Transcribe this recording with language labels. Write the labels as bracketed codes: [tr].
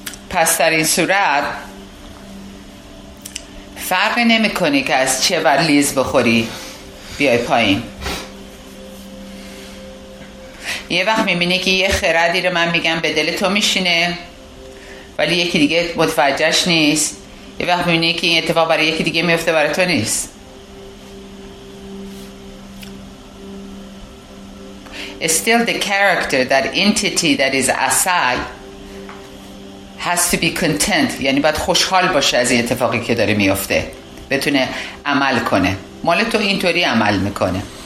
[fa] پس در این صورت فرق نمی کنی که از چه ور لیز بخوری بیای پایین. یه وقت میبینی که یه خردی رو من میگم به دل تو میشینه، ولی یکی دیگه متوجهش نیست. یه وقت میبینی که این اتفاق برای یکی دیگه میفته، برای تو نیست. [en] Still the character, that entity that is Asai has to be content. [fa] یعنی باید خوشحال باشه از این اتفاقی که داره میفته، بتونه عمل کنه. مال تو اینطوری عمل میکنه.